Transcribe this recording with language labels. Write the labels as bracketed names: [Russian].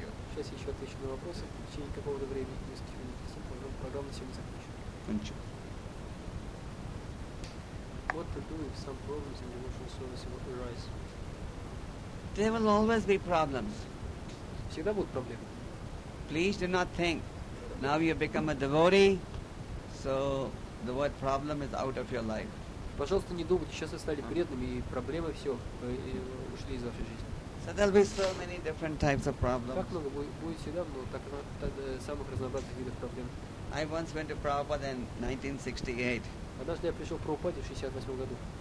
[Russian] Сейчас еще отвечу на вопросы. В течение какого-то времени несколько минут сопровождаем программу, сегодня закончим. Кончу. [English] What to do if some problems in emotional service arise? There will always be problems. [Russian] Всегда будут проблемы. [English] Please do not think. Now you become a devotee, so the word problem is out of your life. [Russian] Пожалуйста, не думайте, сейчас вы стали преданными, и проблемы все ушли из вашей жизни. [English] So there'll be so many different types of problems. [Russian] Как много будет всегда, но так самых разнообразных видов проблем. [English] I once went to Prabhupada in 1968. [Russian] Однажды я пришел к Прабхупаде в 68 году.